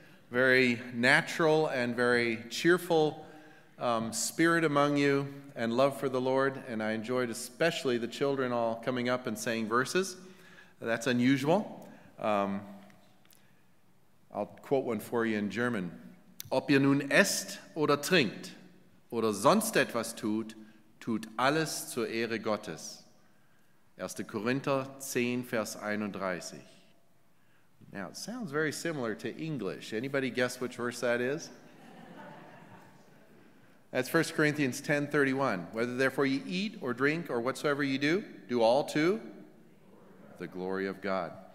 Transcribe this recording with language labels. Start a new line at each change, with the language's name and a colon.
English: Very natural and very cheerful spirit among you, and love for the Lord, and I enjoyed especially the children all coming up and saying verses. That's unusual. I'll quote one for you in German.
German: Ob ihr nun esst oder trinkt oder sonst etwas tut, tut alles zur Ehre Gottes. 1. Korinther 10, Vers 31.
English: Now, it sounds very similar to English. Anybody guess which verse that is? That's 1 Corinthians 10, 31. Whether therefore you eat or drink or whatsoever you do, do all to the glory of God.